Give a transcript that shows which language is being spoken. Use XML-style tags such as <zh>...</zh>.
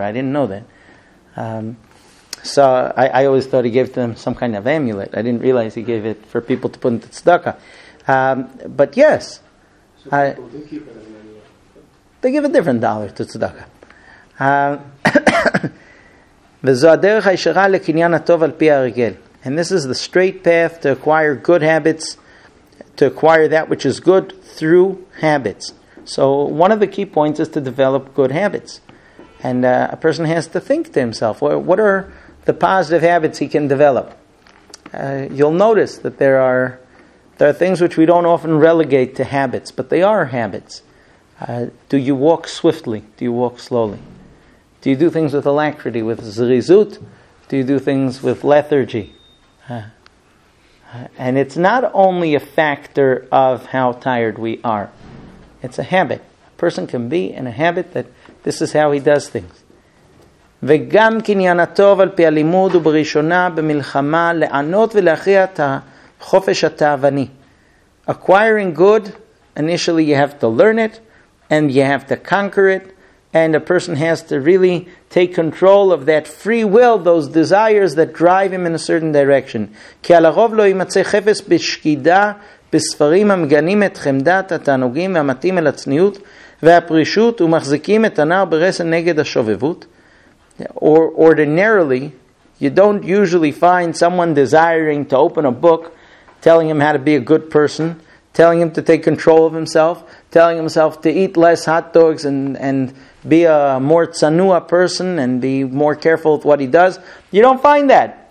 <en>I didn't know that. So I always thought he gave them some kind of amulet. I didn't realize he gave it for people to put into tzedakah. But yes. So people do keep it as an amulet. They give a different dollar to tzedakah.</en> <he>וזו הדרך הישרה לקניין הטוב על פי הרגל.</he> <en>And this is the straight path to acquire good habits, to acquire that which is good through habits. So one of the key points is to develop good habits. And a person has to think to himself, what are the positive habits he can develop? You'll notice that there are things which we don't often relegate to habits, but they are habits. Do you walk swiftly? Do you walk slowly? Do you do things with alacrity, with zrizut? Do you do things with lethargy? And it's not only a factor of how tired we are. It's a habit. A person can be in a habit that this is how he does things.</en> <he>וגם קניין הטוב על פי הלימוד ובראשונה במלחמה לענות ולהכריע את החופש התאווני.</he> <en>Acquiring good, initially you have to learn it and you have to conquer it. And a person has to really take control of that free will, those desires that drive him in a certain direction.</en> <he>כי על הרוב לא ימצא חפץ בשקידה בספרים המגנים את חמדת התענוגים והמתאים אל הצניעות והפרישות ומחזיקים את הנער ברסן נגד השובבות.</he> <en>Or ordinarily, you don't usually find someone desiring to open a book, telling him how to be a good person, telling him to take control of himself, telling himself to eat less hot dogs and be a more tzanua person and be more careful with what he does. You don't find that.</en>